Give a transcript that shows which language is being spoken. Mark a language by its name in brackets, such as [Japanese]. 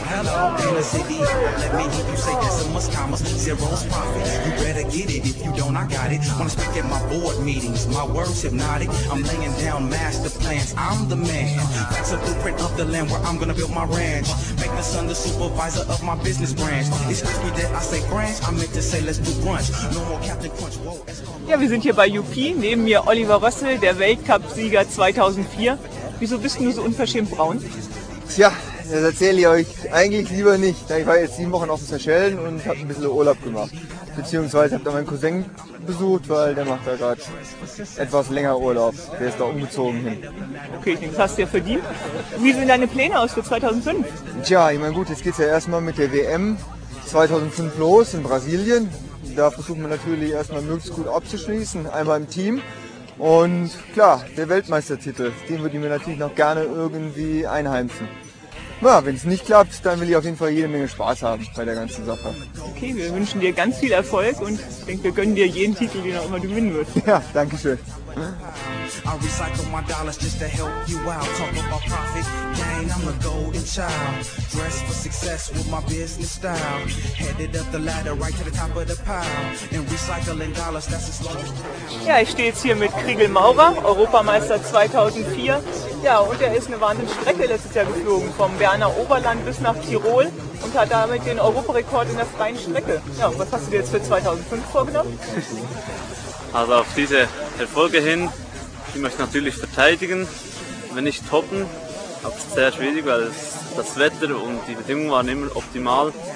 [English] Hello, in the city. Let me hear you say decimals, commas, zeros, profit. You better get it. If you don't, I got it. Wanna speak at my board meetings. My words hypnotic. I'm laying down master plans. I'm the man. That's a blueprint of the land where I'm gonna build my ranch. Make the son the supervisor of my business branch. Excuse me that I say branch. I meant to say, let's do brunch. No more Captain Crunch. Whoa, that's called. [German] Ja, wir sind hier bei UP. Neben mir Oliver Rössel, der Weltcup-Sieger 2004. Wieso bist du so unverschämt braun? Tja, das erzähle ich euch eigentlich lieber nicht. Ich war jetzt 7 Wochen auf den Seychellen und habe ein bisschen Urlaub gemacht. Beziehungsweise habe da meinen Cousin besucht, weil der macht da gerade etwas länger Urlaub. Der ist da umgezogen hin. Okay, ich denke, das hast du ja verdient. Wie sehen deine Pläne aus für 2005? Tja, ich meine, gut, jetzt geht es ja erstmal mit der WM 2005 los in Brasilien. Da versuchen wir natürlich erstmal möglichst gut abzuschließen, einmal im Team. Und klar, der Weltmeistertitel, den würde ich mir natürlich noch gerne irgendwie einheimsen. Na, wenn es nicht klappt, dann will ich auf jeden Fall jede Menge Spaß haben bei der ganzen Sache. Okay, wir wünschen dir ganz viel Erfolg und ich denke, wir gönnen dir jeden Titel, den auch immer du gewinnen wirst. Ja, danke schön. [English] I recycle my dollars just to help you out. Talk about profit, gain, I'm a golden child. Dressed for success with my business style. Headed up the ladder right to the top of the pile. And recycling dollars, that's as long as you can. [German] Ja, ich stehe jetzt hier mit Krigel Maurer, Europameister 2004. Ja, und er ist eine wahnsinnige Strecke letztes Jahr geflogen, vom Berner Oberland bis nach Tirol. Und hat damit den Europarekord in der freien Strecke. Ja, und was hast du dir jetzt für 2005 vorgenommen? Also auf diese Erfolge hin, die möchte ich natürlich verteidigen, wenn nicht toppen, aber es ist sehr schwierig, weil das Wetter und die Bedingungen waren immer optimal.